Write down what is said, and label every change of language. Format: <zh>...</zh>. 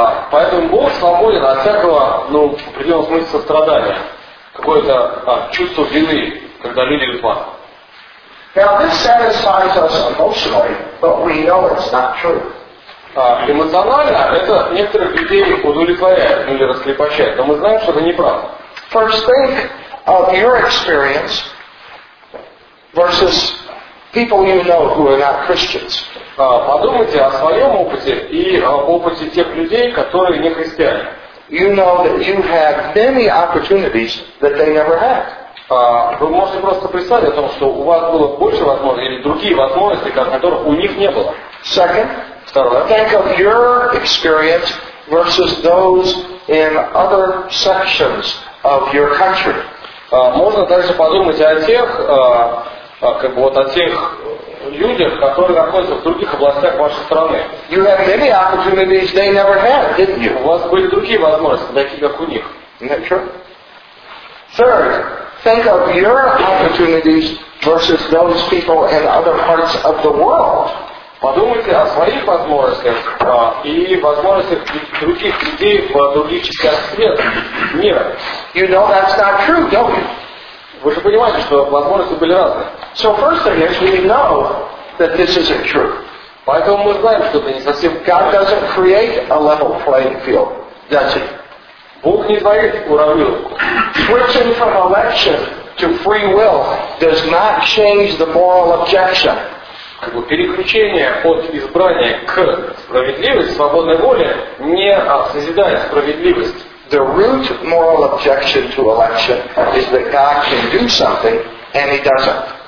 <ru>Поэтому Бог свободен от всякого, ну, в определенном смысле сострадания. Какое-то чувство вины, когда люди в ад.</ru> <en>Now this satisfies us emotionally, but we know it's not true.</en> <ru>Эмоционально это некоторых людей удовлетворяет или раскрепощает, но мы знаем, что это неправда.</ru> <en>First think of your experience versus people you know who are not Christians.</en> <ru>Подумайте о своем опыте и опыте тех людей, которые не христиане.</ru> <en>You know that you have many opportunities that they never had.</en> <ru>Вы можете просто представить о том, что у вас было больше возможностей или другие возможности, которых у них не было.</ru> <en>Second.</en> <ru>Второе.</ru> <en>Think of your experience versus those in other sections of your country.</en> <ru>Можно также подумать о тех, как бы вот о тех людях, которые находятся в других областях вашей страны.</ru> <en>You had many opportunities they never had, didn't you?</en> <ru>У вас были другие возможности, такие как у них.</ru> <en>Isn't that true? Third. Think of your opportunities versus those people in other parts of the world.</en> <ru>Подумайте о своих возможностях и возможностях других людей в других частях света, мира.</ru> <en>You know that's not true, don't you?</en> <ru>Вы же понимаете, что возможности были разные.</ru> <en>So first thing is, we know that this isn't true.</en> <ru>Поэтому мы знаем, что это не совсем.</ru> <en>God doesn't create a level playing field, does he?</en> <ru>Бог не творит уравнил.</ru> <en>Switching from election to free will does not change the moral objection.</en> <ru>Как бы переключение от избрания к справедливости, свободной воле, не созидает справедливость.</ru> <en>The root moral objection to election is that God can do something and he doesn't.</en>